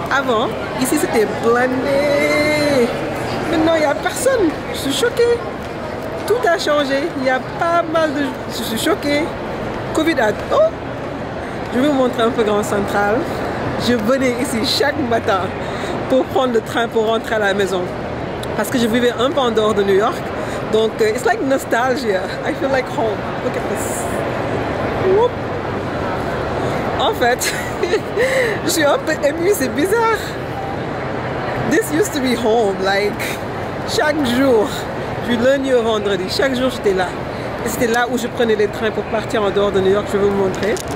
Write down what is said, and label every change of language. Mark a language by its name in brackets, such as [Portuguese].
[French] Avant, ici, c'était blindé. Maintenant, il n'y a personne. Je suis choquée. Tout a changé. Il y a pas mal de... Je suis choquée. Covid a... Oh! Je vais vous montrer un peu Grand Central. Je venais ici chaque matin pour prendre le train pour rentrer à la maison. Parce que je vivais un peu en dehors de New York. [English] Donc, it's like nostalgia. I feel like home. Look at this. Whoop. [French] En fait, je suis un peu émue, c'est bizarre. [English] This used to be home, like, [French] chaque jour, du lundi au vendredi, chaque jour j'étais là. Et c'était là où je prenais les trains pour partir en dehors de New York, je vais vous montrer.